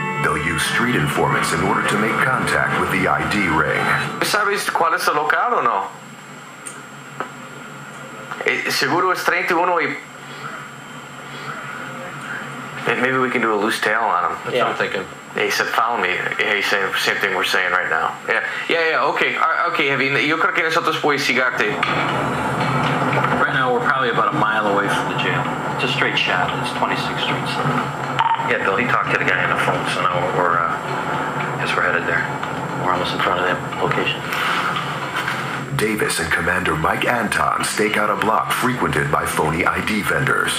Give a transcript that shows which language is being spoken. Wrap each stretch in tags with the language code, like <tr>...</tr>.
<en>They'll use street informants in order to make contact with the ID ring.</en> <es>¿Sabes cuál es el local o no? Seguro es 31 y...</es> <en>Maybe we can do a loose tail on him. That's what I'm thinking. He said, follow me. Yeah, he's saying the same thing we're saying right now. Yeah, okay. All right, okay,</en> <es>Javi, yo creo que nosotros podemos seguirte.</es> <en>Right now, we're probably about a mile away from the jail. It's a straight shot. It's 26th Street. So. Yeah, Bill, he talked to the guy on the phone, so now we're, I guess we're headed there. We're almost in front of that location. Davis and Commander Mike Anton stake out a block frequented by phony ID vendors.</en>